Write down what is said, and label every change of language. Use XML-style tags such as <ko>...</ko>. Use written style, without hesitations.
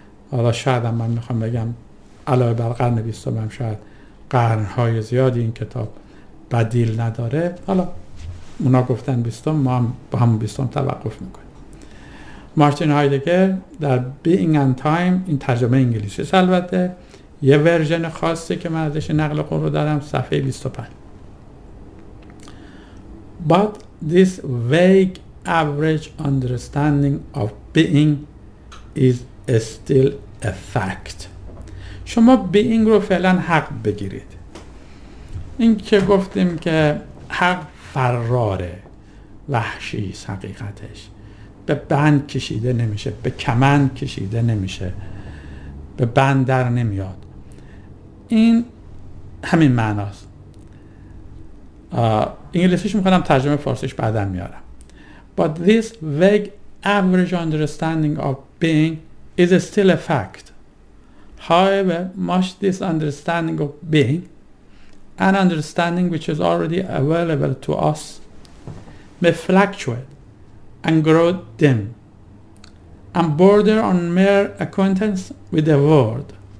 <fa>حالا شاید هم من میخوام بگم علاوه بر قرن بیستم هم شاید قرن‌های زیادی این کتاب بدیل نداره. حالا اونا گفتن بیستم، ما هم با همون بیستم توقف میکنیم. مارتین هایدگر در Being and Time، این ترجمه انگلیسی است البته، یه ورژن خاصی که من ازش نقل قول رو دارم، صفحه 25.</fa> <en>But this vague average understanding of being is still a fact.</en> <fa>شما being رو فعلا حق بگیرید. این که گفتیم که حق فراره، وحشی است حقیقتش، به بند کشیده نمیشه، به کمند کشیده نمیشه، به بند در نمیاد. این همین معناست. انگلیسیش میخوانم، ترجمه فارسیش بعدم میارم.</fa> <en>But this vague average understanding of being is still a fact. However, much this understanding of being, an understanding which is already available to us, may fluctuate and grow dim and border on mere acquaintance with the world.</en>